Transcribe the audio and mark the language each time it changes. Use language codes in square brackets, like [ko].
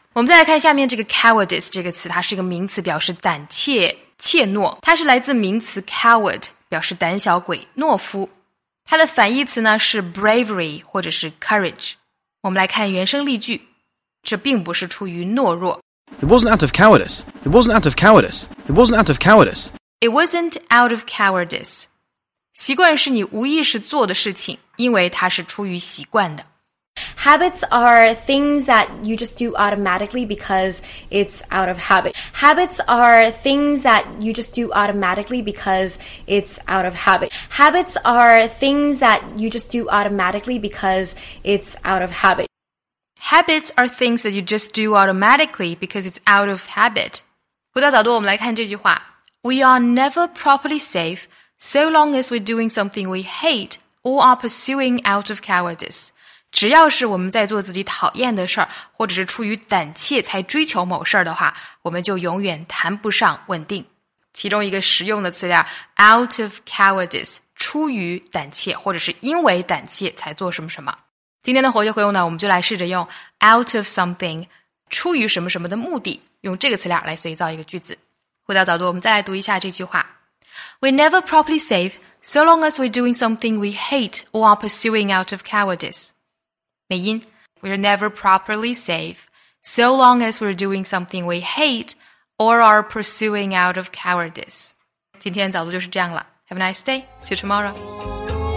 [zh] 我们再来看下面这个 cowardice 这个词，它是一个名词，表示胆怯怯懦，它是来自名词 coward， 表示胆小鬼懦夫，它的反义词呢是 bravery 或者是 courage。我们来看原声例句，这并不是出于懦弱。 [en] It wasn't out of cowardice. It wasn't out of cowardice. It wasn't out of cowardice. It wasn't out of cowardice. [zh] 习惯是你无意识做的事情，因为它是出于习惯的。 [en] Habits are things that you just do automatically because it's out of habit. Habits are things that you just do automatically because it's out of habit. Habits are things that you just do automatically because it's out of habit. Habits are things that you just do automatically because it's out of habit. [zh] 回到早读，我们来看这句话。 [en] We are never properly safe so long as we're doing something we hate or are pursuing out of cowardice. [zh] 只要是我们在做自己讨厌的事儿，或者是出于胆怯才追求某事儿的话，我们就永远谈不上稳定。其中一个实用的词叫 [en] out of cowardice， [zh] 出于胆怯或者是因为胆怯才做什么什么。今天的活学活用呢，我们就来试着用 [en] out of something， [zh] 出于什么什么的目的，用这个词来随造一个句子。回到早读，我们再来读一下这句话。 [en] We're never properly safe so long as we're doing something we hate or are pursuing out of cowardice. 美音 We're never properly safe so long as we're doing something we hate or are pursuing out of cowardice. [zh] 今天早读就是这样了。 [en] Have a nice day. See you tomorrow.